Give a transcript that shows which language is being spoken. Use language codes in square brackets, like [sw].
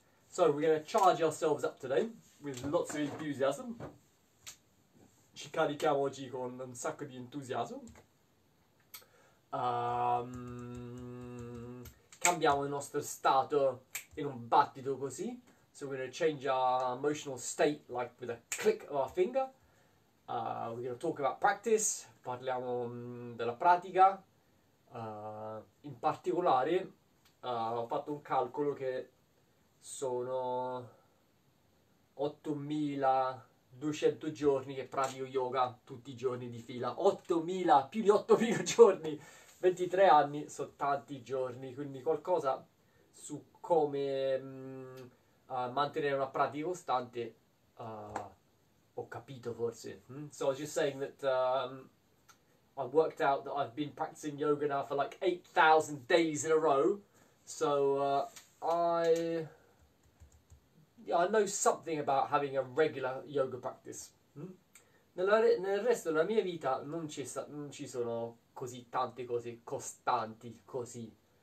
[en] So we're going to charge ourselves up today with lots of enthusiasm. [it] Ci carichiamo oggi con un sacco di entusiasmo. Cambiamo il nostro stato in un battito così. [en] So we're going to change our emotional state like with a click of our finger. We're going to talk about practice. Parliamo della pratica. [it] In particolare, ho fatto un calcolo che sono 8200 giorni che pratico yoga tutti i giorni di fila. 8000, più di 8000 giorni. 23 anni sono tanti giorni. Quindi qualcosa su come... mantenere una pratica costante, ho capito forse. [en] So I was just saying that I worked out that I've been practicing yoga now for like 8,000 days in a row. So I know something about having a regular yoga practice. [it] Nel resto della mia vita non ci sono così tante cose costanti così.